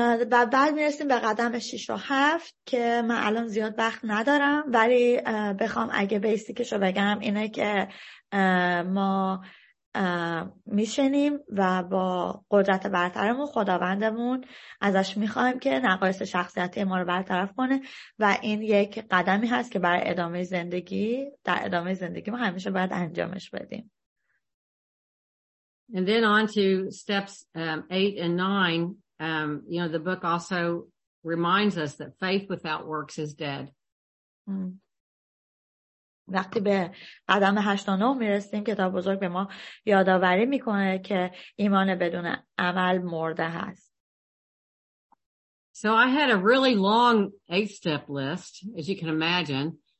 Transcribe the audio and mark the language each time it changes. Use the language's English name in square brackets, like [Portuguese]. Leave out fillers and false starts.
[Persian] بعد میرسیم به قدم 6 و 7 که من الان زیاد وقت ندارم، ولی بخوام اگه بیسیکش رو بگم اینه که ما میشنیم و با قدرت برترمون خداوندمون ازش میخوایم که نقایص شخصیتی ما رو برطرف کنه و این یک قدمی هست که برای ادامه زندگی در ادامه زندگی ما همیشه باید انجامش بدیم. [English] And then on to steps 8 and 9, you know, the book also reminds us that faith without works is dead. [Persian] وقتی به قدم 89 میرسیم کتاب بزرگ به ما یادآوری میکنه که ایمان بدون عمل مرده هست. [English] So I had a really long 8 step list, as you can imagine.